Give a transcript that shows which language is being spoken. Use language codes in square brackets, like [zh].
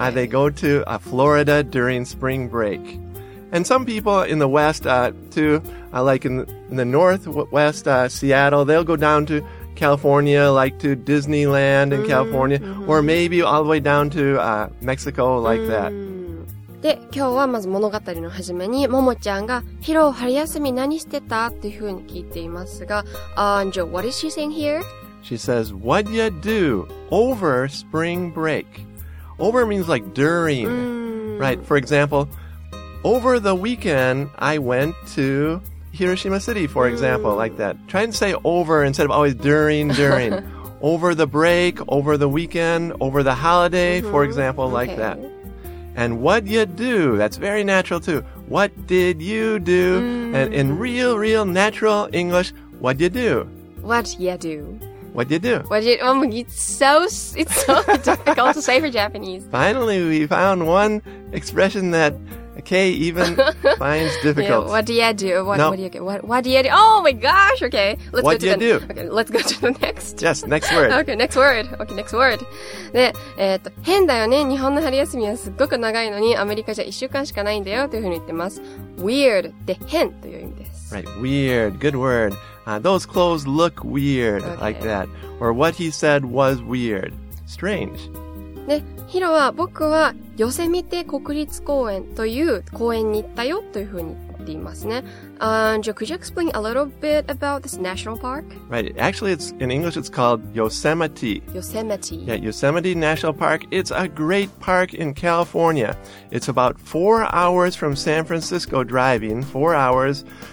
[en] They go to Florida during spring break. And some people in the west too, like in the northwest, Seattle, they'll go down to California, like to Disneyland in California, or maybe all the way down to Mexico like that. [ja] で、今日はまず物語の始めに、ももちゃんが、ヒロ、春休み何してたっていうふうに聞いていますが、 [en] Joe, what is she saying here? She says, what do you do over spring break? Over means like during, right? For example, over the weekend, I went to Hiroshima City, for example, like that. Try and say over instead of always during. Over the break, over the weekend, over the holiday, for example, like that. And what you do, that's very natural too. What did you do? And in real, real natural English, what you do? What you do? It's so difficult to say for Japanese. Finally, we found one expression that Kay even finds difficult. Yeah, what do you do? What do you do? Oh my gosh, okay. Let's go to the next. Yes, next word. Okay, next word. [ja] で、変だよね。日本の春休みはすっごく長いのに、アメリカじゃ一週間しかないんだよというふうに言ってます。 Weird で変という意味です。 [en] Right, weird. Good word. Those clothes look weird, okay. like that. Or what he said was weird. Strange. [ja] で、ヒロは僕はヨセミテ国立公園という公園に行ったよというふうに言っていますね。 [en] Joe, could you explain a little bit about this national park? Right. Actually, in English, it's called Yosemite. Yosemite. Yeah, Yosemite National Park. It's a great park in California. It's about 4 hours from San Francisco driving, 4 hours.